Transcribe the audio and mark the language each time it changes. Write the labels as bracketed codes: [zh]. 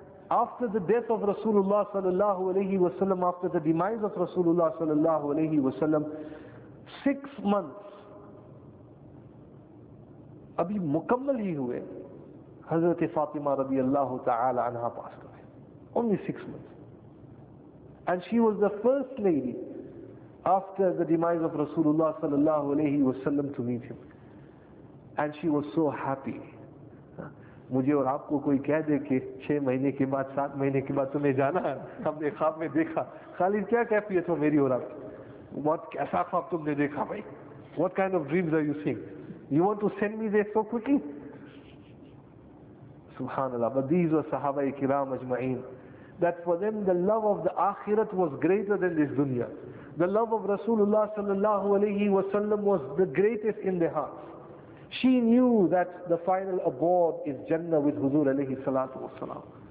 [en] after the death of Rasulullah sallallahu alayhi wa sallam, after the demise of Rasulullah sallallahu alayhi wa sallam, 6 months, [ur] abhi mukammal hi huye, [en] Hazrat Fatima radiallahu ta'ala anha passed away. Only 6 months. And she was the first lady after the demise of Rasulullah sallallahu alayhi wa sallam to meet him. And she was so happy. [ur] مجھے اور آپ کو کوئی کہہ دے کہ 6 مہینے کے بعد 7 مہینے کے بعد تمہیں جانا ہے, ہم نے خواب میں دیکھا, خالد کیا کیفیت ہو میری اور آپ کی, what کیسا خواب تم نے دیکھا بھائی, [en] what kind of dreams are you seeing, you want to send me there so quickly, [ur] سبحان اللہ. [en] But these were [ur] صحابہ کرام اجمعین, [en] that for them the love of the آخرت was greater than this دنیا, the love of رسول اللہ صلی اللہ علیہ وسلم was the greatest in their hearts. She knew that the final abode is Jannah with Huzur alayhi salatu wasalam.